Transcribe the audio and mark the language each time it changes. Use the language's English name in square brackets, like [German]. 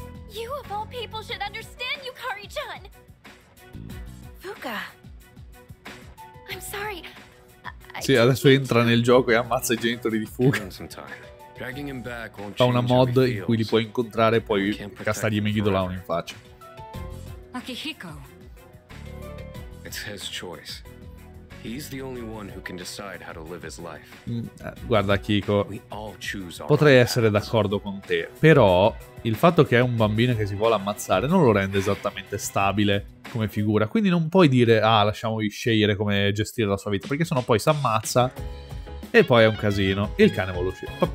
[English] You of all people should understand, Yukari-chan. Fuka. I'm sorry. [Italian] Sì, adesso entra nel gioco e ammazza i genitori di Fuka. Fa una mod in cui li puoi incontrare e poi castargli Megidolaun in faccia. [English] Akihiko. It's his choice. He's the only one who can decide how to live his life. [Italian] Guarda, Akiko, potrei essere d'accordo con te, però il fatto che è un bambino che si vuole ammazzare non lo rende esattamente stabile come figura, quindi non puoi dire, ah, lasciamogli scegliere come gestire la sua vita, perché sennò poi si ammazza e poi è un casino. Il cane vuole uscire.